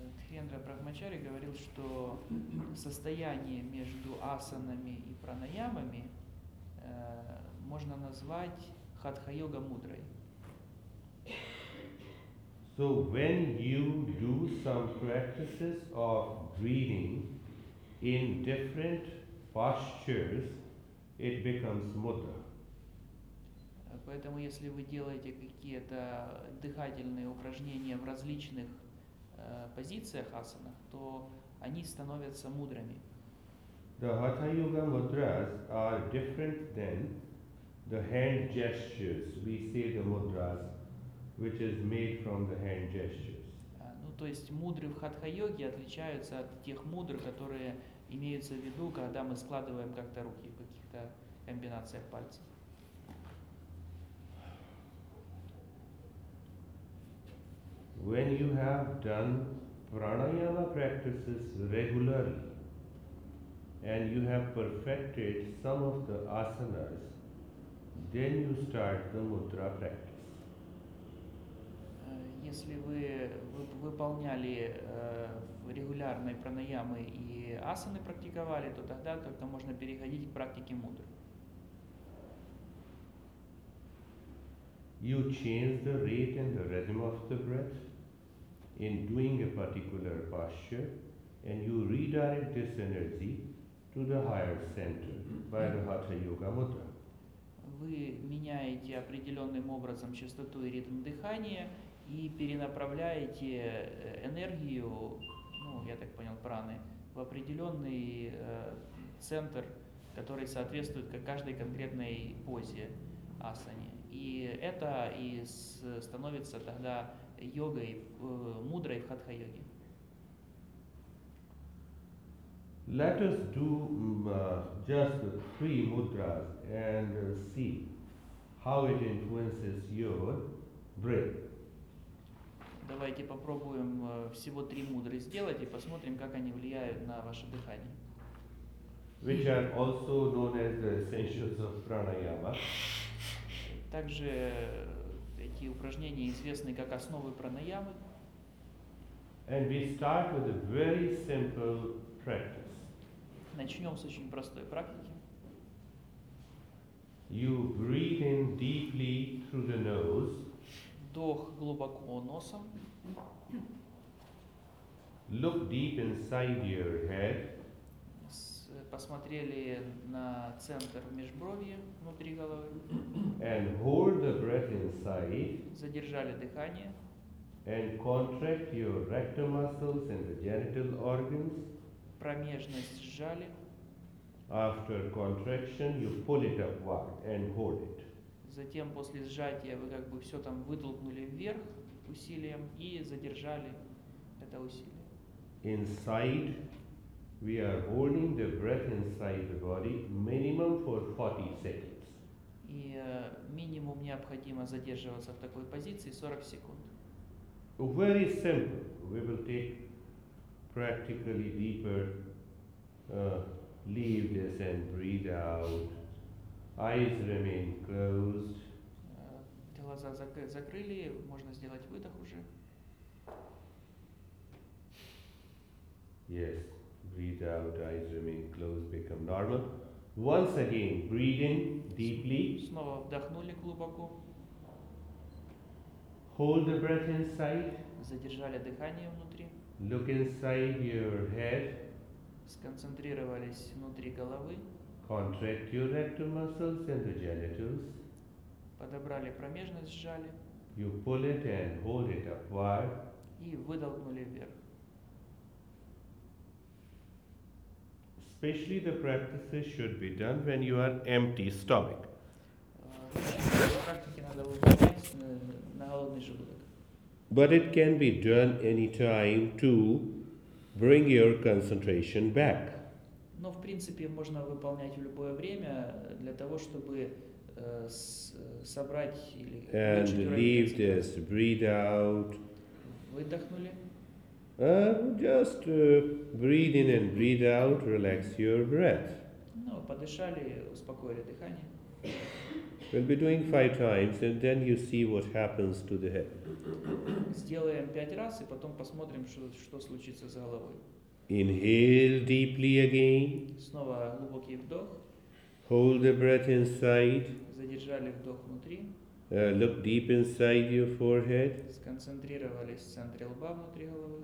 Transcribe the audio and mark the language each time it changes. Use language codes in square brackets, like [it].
[ru] Dhirendra Brahmachari говорил, что состояние между асанами и пранаямами можно назвать Hatha Yoga Mudrai. [en] So when you do some practices of breathing in different postures, it becomes mudra. [ru] Поэтому, если вы делаете какие-то дыхательные упражнения в различных позициях асана, то они становятся мудрами. [en] The Hatha Yoga mudras are different than the hand gestures. We say the mudras, which is made from the hand gestures. [ru] Ну, то есть мудры в Хатха йоге отличаются от тех мудр, которые имеются в виду, когда мы складываем как-то руки в каких-то комбинациях пальцев. [en] When you have done pranayama practices regularly and you have perfected some of the asanas, then you start the mudra practice. [ru] Если вы выполняли регулярные пранаямы и асаны практиковали, то тогда только можно переходить к практике мудр. [en] You change the rate and the rhythm of the breath in doing a particular posture, and you redirect this energy to the higher center by the Hatha Yoga Mudra. [ru] Вы меняете определенным образом частоту и ритм дыхания и перенаправляете энергию, ну, я так понял, праны, в определенный центр, который соответствует каждой конкретной позе асане. И это и становится тогда йогой, мудрой в хатха-йоге. [en] Let us do just three mudras and see how it influences your breath. [ru] Давайте попробуем всего три мудры сделать и посмотрим, как они влияют на ваше дыхание. [en] Which are also known as the essentials of pranayama. [ru] Также эти упражнения известны как основы пранаямы. [en] And we start with a very simple practice. [ru] Начнем с очень простой практики. [en] You breathe in deeply through the nose. [ru] Вдох глубоко носом. [en] Look deep inside your head. [ru] Посмотрели на центр межбровья внутри головы. [en] and hold the breath inside. [ru] Задержали дыхание. [en] And contract your rectal muscles and the genital organs. [ru] Промежность сжали. [en] After contraction, you pull it upward and hold it. [ru] Затем после сжатия вы как бы все там вытолкнули вверх усилием и задержали это усилие. [en] Inside, we are holding the breath inside the body minimum for 40 seconds. [ru] И минимум необходимо задерживаться в такой позиции 40 секунд. [en] Very simple. We will take practically deeper, leave this and breathe out. Eyes remain closed. [ru] Глаза закрыли, можно сделать выдох уже. [en] Yes, breathe out, eyes remain closed, become normal. Once again, breathing deeply. [ru] Снова вдохнули глубоко. [en] Hold the breath inside. [ru] Задержали дыхание внутри. [en] Look inside your head. [ru] Сконцентрировались внутри головы. [en] Contract your rectal muscles and the genitals. [ru] Подобрали промежность, сжали. [en] You pull it and hold it upward. [ru] И выдохнули вверх. [en] Especially the practices should be done when you are empty stomach. [ru] Практики надо выполнять на голодный желудок. [en] But it can be done anytime to bring your concentration back. [ru] Но в принципе можно выполнять в любое время для того, чтобы собрать или [en] and leave this, breathe out. [ru] Выдохнули. [en] Just breathe in and breathe out, relax your breath. [ru] Ну, подышали, успокоили дыхание. [en] We'll be doing 5 times and then you see what happens to the head. [ru] Сделаем 5 раз и потом посмотрим, что случится с головой. [en] Inhale deeply again. [ru] Снова глубокий вдох. [en] Hold the breath inside. [ru] Задержали вдох внутри. [en] Look deep inside your forehead. [ru] Сконцентрировались в центре лба внутри головы.